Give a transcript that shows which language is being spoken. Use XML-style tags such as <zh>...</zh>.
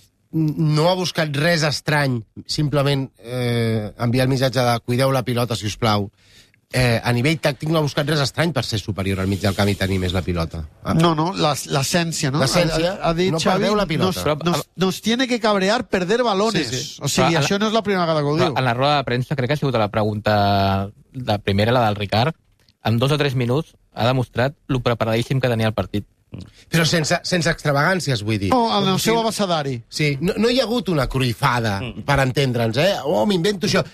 <ca>No ha buscat res estrany, simplement enviar el missatge de cuideu la pilota, si us plau. A nivell tàctic no ha buscat res estrany per ser superior al mig del camp i tenir més la pilota. No, l'essència, no? L'essència. Ha dit no</ca> <es>Xavi, la nos tiene que cabrear perder balones.</es> <ca>Sí, sí. O sigui, però això no és la primera vegada que ho diu. En la roda de premsa crec que ha sigut la pregunta de primera, la del Ricard. En 2 o 3 minuts ha demostrat lo preparadíssim que tenia el partit. Però sense extravagàncies, vull dir. No, en el seu abecedari. Sí, no hi ha hagut una cruifada, per entendre'ns, eh? Oh, m'invento això.</ca>